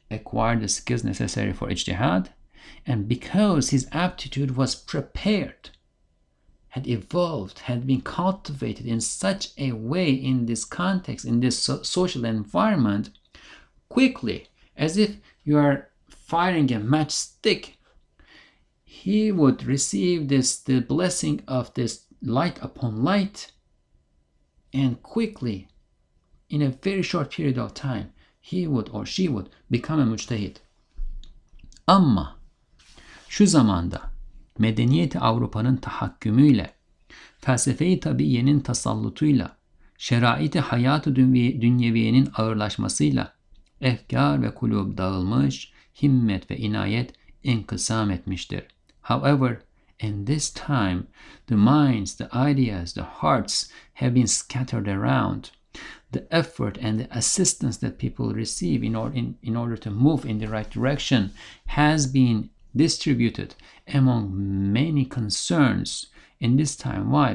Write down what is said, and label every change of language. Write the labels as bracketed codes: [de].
[en] acquired the skills necessary for ijtihad, and because his aptitude was prepared, had evolved, had been cultivated in such a way in this context, in this social environment, quickly, as if you are firing a matchstick, he would receive the blessing of this light upon light, and quickly, in a very short period of time, he would or she would become a müctehid. [tr] Ama şu zamanda medeniyeti Avrupa'nın tahakkümüyle, felsefeyi tabiyenin tasallutuyla, şeraiti hayatı dünyeviyenin ağırlaşmasıyla, efkar ve kulüp dağılmış, himmet ve inayet inkısam etmiştir. [en] However, in this time, the minds, the ideas, the hearts have been scattered around. The effort and the assistance that people receive in order to move in the right direction has been distributed among many concerns in this time. Why?